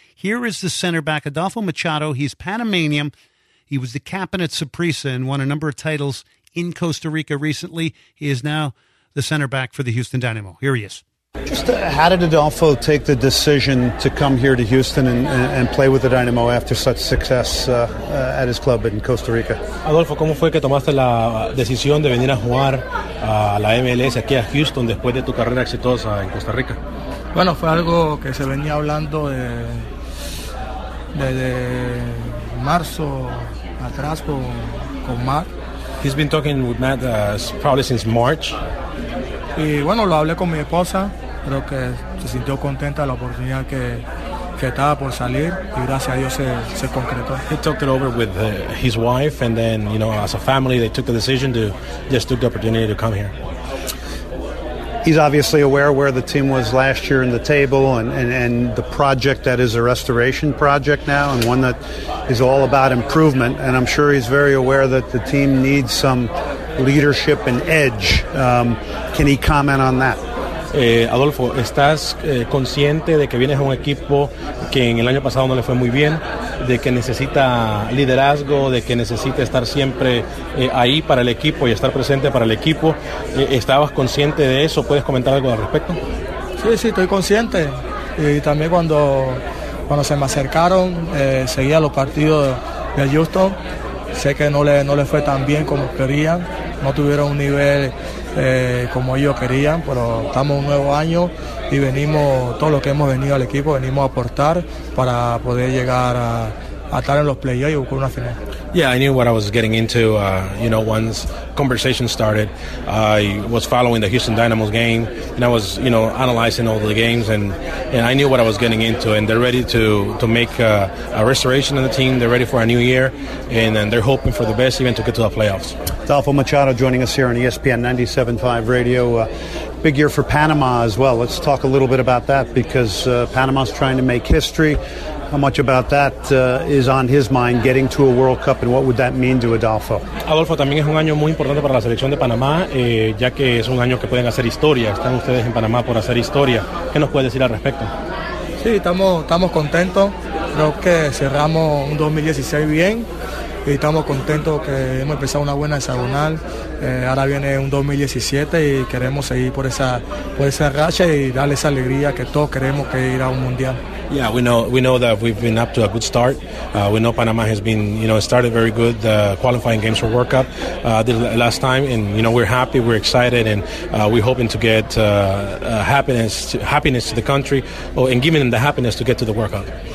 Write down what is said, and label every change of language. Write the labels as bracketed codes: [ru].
[en] Here is the center back, Adolfo Machado. He's Panamanian. He was the captain at Saprissa and won a number of titles in Costa Rica recently. He is now the center back for the Houston Dynamo. Here he is. Just how did Adolfo take the decision to come here to Houston and play with the Dynamo after such success at his club in Costa Rica? [es] Adolfo, ¿cómo fue que tomaste la decisión de venir a jugar a la MLS aquí a Houston después de tu carrera exitosa en Costa Rica? Bueno, fue algo que se venía hablando de marzo atrás con Matt. [en] He's been talking with Matt probably since March. [es] Y bueno, lo hablé con mi esposa, creo que se sintió contenta de la oportunidad que estaba por salir y gracias a Dios se concretó. [en] He talked it over with his wife and then, you know, as a family, they took the decision to just took the opportunity to come here. He's obviously aware where the team was last year in the table and the project that is a restoration project now and one that is all about improvement. And I'm sure he's very aware that the team needs some leadership and edge. Can he comment on that? [es] Adolfo, ¿estás consciente de que vienes a un equipo que en el año pasado no le fue muy bien, de que necesita liderazgo, de que necesita estar siempre ahí para el equipo y estar presente para el equipo? ¿Estabas consciente de eso? ¿Puedes comentar algo al respecto? Sí, sí, estoy consciente. Y también cuando se me acercaron, seguía los partidos de Houston. Sé que no le fue tan bien como querían. No tuvieron un nivel como ellos querían, pero estamos en un nuevo año y venimos, todo lo que hemos venido al equipo, venimos a aportar para poder llegar a estar en los playoffs y buscar una final. [en] Yeah, I knew what I was getting into, you know, once conversation started. I was following the Houston Dynamo's game, and I was, you know, analyzing all the games, and I knew what I was getting into, and they're ready to make a restoration in the team. They're ready for a new year, and they're hoping for the best, even to get to the playoffs. Adolfo Machado joining us here on ESPN 97.5 Radio. Big year for Panama as well. Let's talk a little bit about that, because Panama's trying to make history. How much about that is on his mind, getting to a World Cup, and what would that mean to Adolfo? [es] Adolfo, también es un año muy importante para la selección de Panamá, ya que es un año que pueden hacer historia. Están ustedes en Panamá por hacer historia. ¿Qué nos puede decir al respecto? Sí, estamos contentos. Creo que cerramos un 2016 bien. Y estamos contentos que hemos empezado una buena hexagonal. Ahora viene un 2017 y queremos seguir por esa racha y darle esa alegría que todos queremos, que ir a un mundial. [en] Yeah, we know that we've been up to a good start. We know Panama has been, you know, started very good qualifying games for World Cup the last time, and you know, we're happy, we're excited, and we're hoping to get happiness to the country, and giving them the happiness to get to the World Cup.